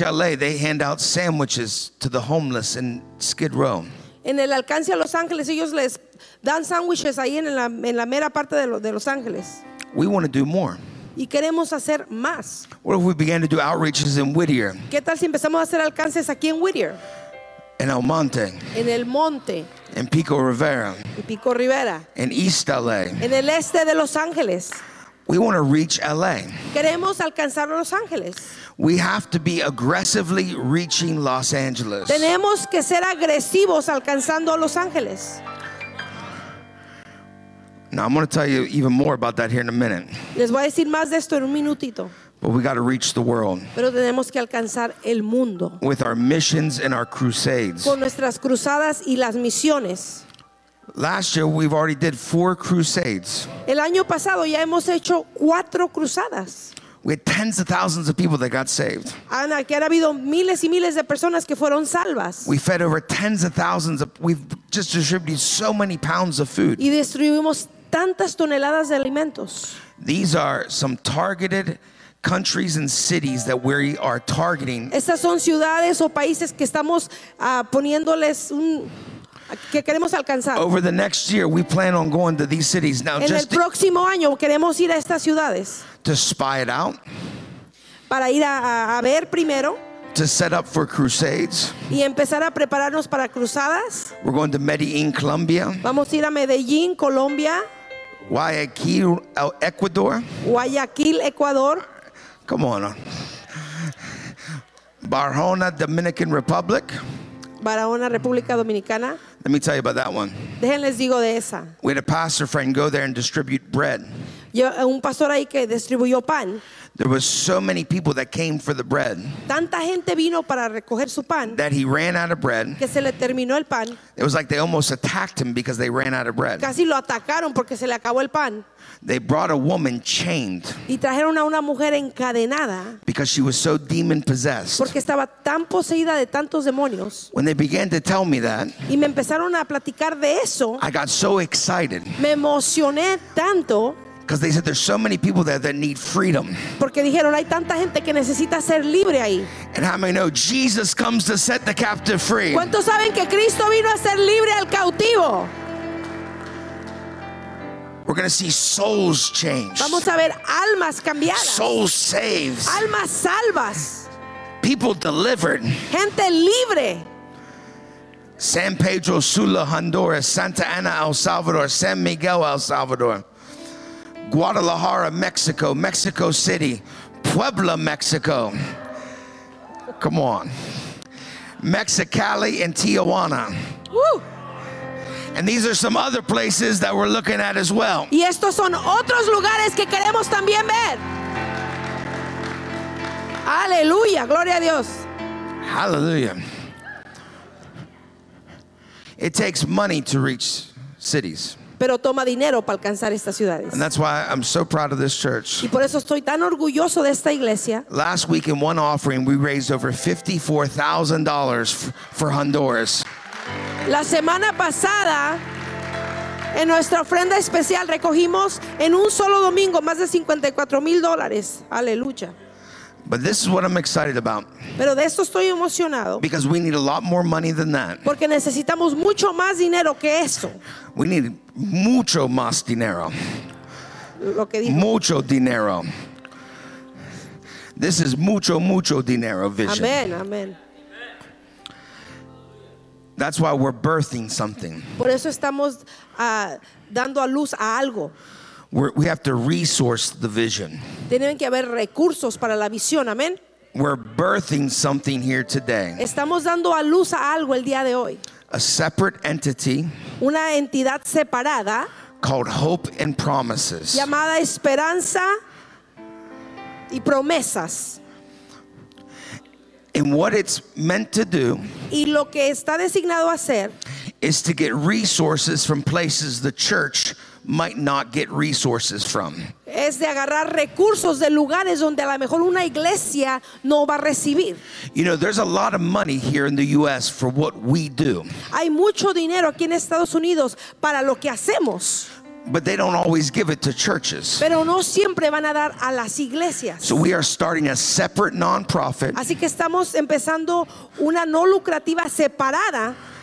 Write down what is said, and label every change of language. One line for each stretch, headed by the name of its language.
English: LA, they hand out sandwiches to the homeless in Skid Row.
Spanish: En el alcance a Los Ángeles, ellos les dan sándwiches ahí en la mera parte de Los Ángeles.
English: We want to do more.
Spanish: Y queremos hacer más.
English: What if we began to do outreaches in Whittier?
Spanish: ¿Qué tal si empezamos a hacer alcances aquí en Whittier? En El Monte. En El Monte. En Pico Rivera. En Pico Rivera.
English: In East LA.
Spanish: En el este de Los Ángeles.
English: We want to reach LA.
Spanish: Queremos alcanzar Los Ángeles.
English: We have to be aggressively reaching Los Angeles.
Spanish: Tenemos que ser agresivos alcanzando Los Ángeles.
English: Now I'm going to tell you even more about that here in a minute.
Spanish: Les voy a decir más de esto en un minutito.
English: But we got to reach the world.
Spanish: Pero tenemos que alcanzar el mundo.
English: With our missions and our crusades.
Spanish: Con nuestras cruzadas y las misiones.
English: Last year we've already did 4 crusades.
Spanish: El año pasado ya hemos hecho 4 cruzadas.
English: We had tens of thousands of people that got saved.
Spanish: Ana, que han habido miles y miles de personas que fueron salvas.
English: We fed over tens of thousands of. We've just distributed so many pounds of food.
Spanish: Y distribuimos tantas toneladas de alimentos.
English: These are some targeted countries and cities that we are targeting.
Spanish: Estas son ciudades o países que estamos poniéndoles un. Que queremos alcanzar.
English: Over the next year, we plan on going to these cities. Now,
Spanish: en el próximo año queremos ir a estas ciudades.
English: To spy it out.
Spanish: Para ir a ver primero.
English: To set up for crusades.
Spanish: Y empezar a prepararnos para cruzadas.
English: We're going to Medellín, Colombia.
Spanish: Vamos a ir a Medellín, Colombia. Guayaquil, Ecuador. Guayaquil, Ecuador.
English: Come on. Barahona, Dominican Republic.
Spanish: Barahona, República Dominicana.
English: Let me tell you about that one.
Spanish: Déjenles digo de esa.
English: We had a pastor friend go there and distribute bread.
Spanish: Yo, un pastor ahí que distribuyó pan.
English: There was so many people that came for the bread.
Spanish: Tanta gente vino para recoger su pan.
English: That he ran out of bread.
Spanish: Que se le terminó el pan.
English: It was like they almost attacked him because they ran out of bread.
Spanish: Casi lo atacaron porque se le acabó el pan.
English: They brought a woman chained.
Spanish: Y trajeron a una mujer encadenada.
English: Because she was so demon possessed.
Spanish: Porque estaba tan poseída de tantos demonios.
English: When they began to tell me that.
Spanish: Y me empezaron a platicar de eso.
English: I got so excited.
Spanish: Me emocioné tanto.
English: Because they said there's so many people there that need freedom.
Spanish: Porque dijeron hay tanta gente que necesita ser libre ahí.
English: And how many know Jesus comes to set the captive free?
Spanish: ¿Cuántos saben que Cristo vino a ser libre al cautivo?
English: We're going to see souls changed.
Spanish: Vamos a ver almas cambiadas.
English: Souls saved.
Spanish: Almas salvas.
English: People delivered.
Spanish: Gente libre.
English: San Pedro Sula, Honduras. Santa Ana, El Salvador. San Miguel, El Salvador. Guadalajara, Mexico. Mexico City. Puebla, Mexico. Come on. Mexicali and Tijuana. Woo. And these are some other places that we're looking at as well.
Spanish: Y estos son otros lugares que queremos también ver. Aleluya, gloria a Dios.
English: Hallelujah. It takes money to reach cities.
Spanish: Pero toma dinero para alcanzar estas ciudades.
English: And that's why I'm so proud of this church.
Spanish: Y por eso estoy tan orgulloso de esta iglesia.
English: Last week in one offering, we raised over $54,000 for Honduras.
Spanish: La semana pasada, en nuestra ofrenda especial, recogimos en un solo domingo más de $54,000. Aleluya.
English: But this is what I'm excited about.
Spanish: Pero de esto estoy emocionado.
English: Because we need a lot more money than that.
Spanish: Porque necesitamos mucho más dinero que eso.
English: We need
Spanish: mucho más dinero. Lo que dijo. Mucho dinero.
English: This is
Spanish: mucho, mucho dinero
English: vision. Amen, amen. That's why we're birthing something.
Spanish: Por eso estamos dando a luz a algo.
English: We have to resource the vision.
Spanish: Tienen que haber recursos para la visión, amén.
English: We're birthing something here today.
Spanish: Estamos dando a luz a algo el día de hoy.
English: A separate entity.
Spanish: Una entidad separada.
English: Called Hope and Promises.
Spanish: Llamada Esperanza y Promesas.
English: And what it's meant to do.
Spanish: Y lo que está designado a hacer.
English: Is to get resources from places the church might not get resources from.
Spanish: Es de agarrar recursos de lugares donde a lo mejor una iglesia no va a recibir.
English: You know, there's a lot of money here in the U.S. for what we do.
Spanish: Hay mucho dinero aquí en Estados Unidos para lo que hacemos.
English: But they don't always give it to churches.
Spanish: Pero no siempre van a dar a las iglesias.
English: So we are starting a separate non-profit.
Spanish: Así que estamos empezando una no lucrativa separada.